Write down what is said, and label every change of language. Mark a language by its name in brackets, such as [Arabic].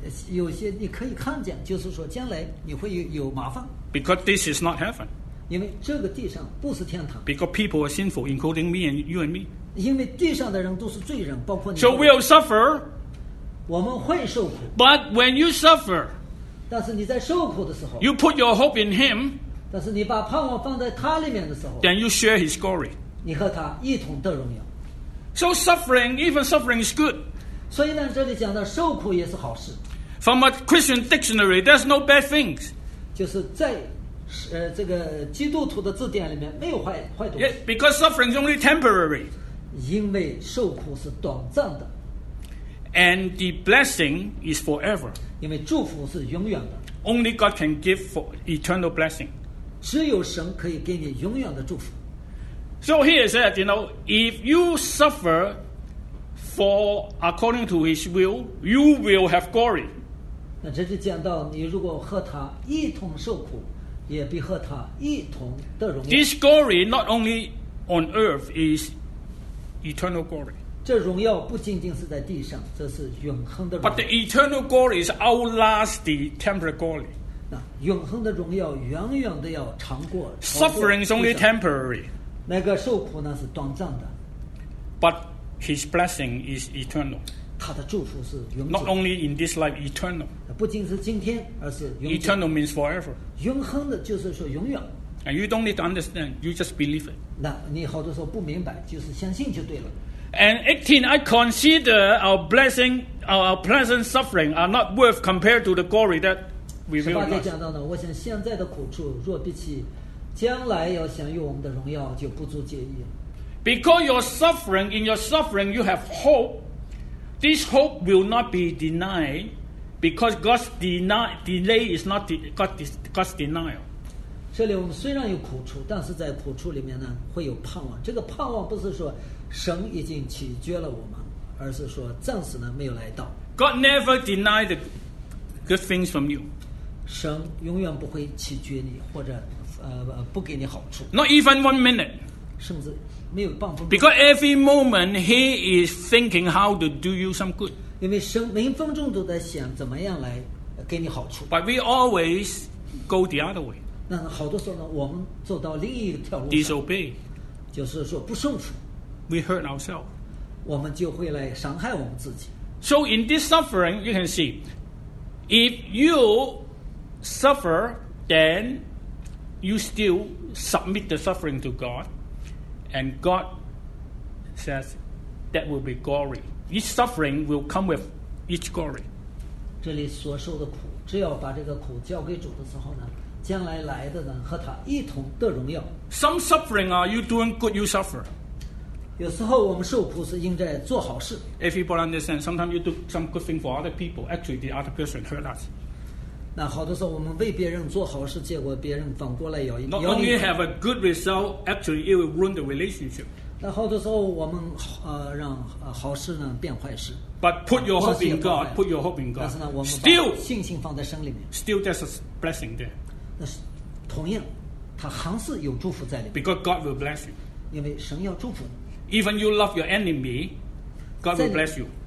[Chinese] 有些你可以看见，就是说将来你会有麻烦。 [English] Because this is not heaven. [Chinese] 因为这个地上不是天堂。 [English] Because people are sinful, including me and you and me. [Chinese] 因为地上的人都是罪人，包括你。 [English] So we'll suffer. [Chinese] 我们会受苦。 [English] But when you suffer, [Chinese] 但是你在受苦的时候 [English] ，you put your hope in Him. [Chinese] 但是你把盼望放在他里面的时候 [English] ，then you share His glory. [Chinese] 你和他一同得荣耀。 [English] So suffering, even suffering, is good. [Chinese] 所以呢，这里讲的受苦也是好事。 [English] From a Christian dictionary, there's no bad things. [Chinese] 就是在这个基督徒的字典里面没有坏东西。 [English] Yeah, because suffering is only temporary. [Chinese] 因为受苦是短暂的。 [English] And the blessing is forever. [Chinese] 因为祝福是永远的。 [English] Only God can give for eternal blessing. [Chinese] 只有神可以给你永远的祝福。 [English] So he said, you know, if you suffer for according to His will, you will have glory. [Chinese] 那这就讲到你如果和他一同受苦。也必和他一同得荣耀。 [English] This glory not only on earth is eternal glory. [Chinese] 这荣耀不仅仅是在地上，这是永恒的荣耀。 [English] But the eternal glory is outlast the temporary glory. [Chinese] 那永恒的荣耀远远的要长过。 [English] Suffering is only temporary. [Chinese] 那个受苦呢是短暂的。 [English] But His blessing is eternal. [Chinese] 他的祝福是永久。 [English] Not only in this life eternal. [Chinese] 不仅是今天，而是永久。 [English] Eternal means forever. [Chinese] 永恒的就是说永远。 [English] And you don't need to understand, you just believe it. [Chinese] 那你好多时候不明白，就是相信就对了。 [English] And 18, I consider our blessing, our present suffering are not worth compared to the glory that we will have. [Chinese] 18节讲到呢，我想现在的苦处若比起将来要享有我们的荣耀，就不足介意了。 [English] Because you're suffering, in your suffering you have hope. This hope will not be denied. Because God's delay is not God's denial. [Chinese] 这里我们虽然有苦处，但是在苦处里面呢，会有盼望。这个盼望不是说神已经取决了我们，而是说暂时呢没有来到。 [English] God never denies the good things from you. [Chinese] 神永远不会取决你，或者不给你好处。 [English] Not even 1 minute. [Chinese] 甚至没有半分钟。 [English] Because every moment He is thinking how to do you some good. [Chinese] 因为生每分钟都在想怎么样来给你好处。 [English] But we always go the other way. [Chinese] 那好多时候呢，我们走到另一条路。 [English] Disobey. [Chinese] 就是说不顺服。 [English] We hurt ourselves. [Chinese] 我们就会来伤害我们自己。 [English] So in this suffering, you can see, if you suffer, then you still submit the suffering to God, and God says that will be glory. Each suffering will come with each glory. [Chinese] 这里所受的苦，只要把这个苦交给主的时候呢，将来来的人和他一同得荣耀。 [English] Some suffering are you doing good? You suffer. [Chinese] 有时候我们受苦是应该做好事。 [English] If people understand, sometimes you do some good thing for other people. Actually, the other person hurt us. [Chinese] 那好多时候我们为别人做好事，结果别人反过来咬你。 [English] Not only have a good result, actually it will ruin the relationship. [Chinese] 那好多时候我们让好事呢变坏事。 [English] But put your hope in God. Put your hope in God. [Chinese] 但是呢，我们把信心放在神里面。 [English] Still, there's a blessing there. [Chinese] 那是同样，他还是有祝福在里面。 [English] Because God will bless you. [Chinese] 因为神要祝福你。 [English] Even you love your enemy, God will bless you.